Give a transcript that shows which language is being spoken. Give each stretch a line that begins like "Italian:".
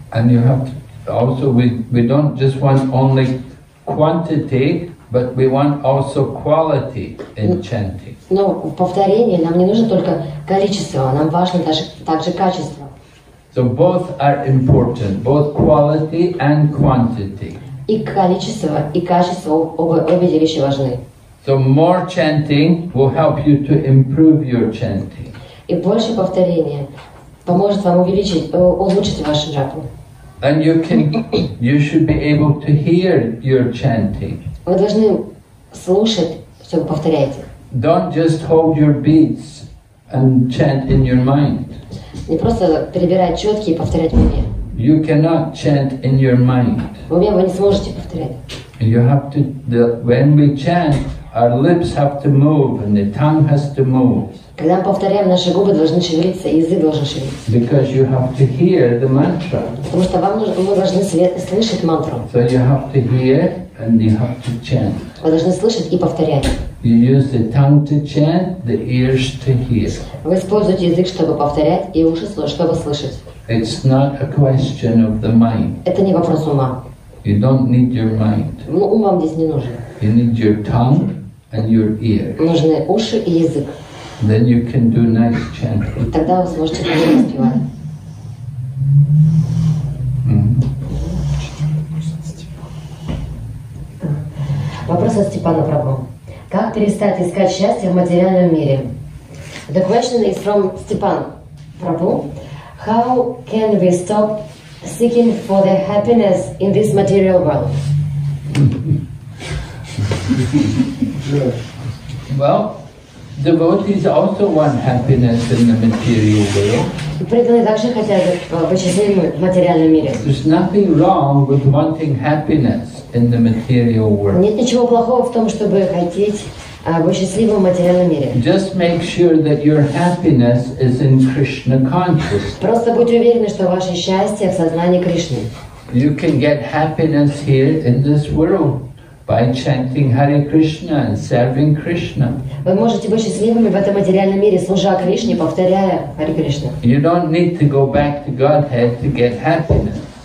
English: And you have to also we don't just want only quantity, but we want also quality in chanting.
Russian: Но повторение нам не нужно только количество, нам важно также качество.
English: So both are important, both quality and quantity.
Russian: И количество, и качество, обе эти вещи важны.
English: So more chanting will help you to improve your chanting.
Russian: И больше повторения поможет вам улучшить вашу джапу.
English: And you should be able to hear your chanting.
Russian: Вы должны слушать, чтобы повторяете.
English: Don't just hold your beats and chant in your mind.
Russian: Не просто перебирать четки и повторять в уме.
English: You cannot chant in your mind.
Russian: В уме вы не сможете повторять.
English: You have to. When we chant, our lips have to move and the tongue has to move.
Russian: Когда мы повторяем, наши губы должны шевелиться, язык должен шевелиться.
English: Because you have to hear the mantra.
Russian: Потому что вы должны слышать мантру.
English: So you have to hear and you have to chant.
Russian: Вы должны слышать и повторять.
English: You use the tongue to chant, the ears to hear.
Russian: Вы используете язык, чтобы повторять, и уши, чтобы слышать.
English: It's not a question of the mind.
Russian: Это не вопрос ума.
English: You don't need your mind.
Russian: Ум вам здесь не нужен.
English: You need your tongue and your ear.
Russian: Нужны уши и язык.
English: Then you can do nice chanting.
Russian: Тогда вы сможете хорошо спевать. Вопрос от Степана Прабу. Как перестать искать счастье в материальном мире?
English: The question is from Степан Прабу. How can we stop seeking for the happiness in this material world? Well, devotees also want happiness in the material world.
Russian: Преданные также хотят быть счастливыми в материальном мире.
English: There's nothing wrong with wanting happiness in the material world.
Russian: Нет ничего плохого в том, чтобы хотеть быть счастливым в материальном мире.
English: Just make sure that your happiness is in Krishna consciousness.
Russian: Просто будьте уверены, что ваше счастье в сознании Кришны.
English: You can get happiness here in this world. By chanting Hare Krishna and serving Krishna.
Russian: Вы можете быть счастливыми в этом материальном мире, служа Кришне, повторяя Hare Krishna.
English: You don't need to go back to Godhead to get happiness.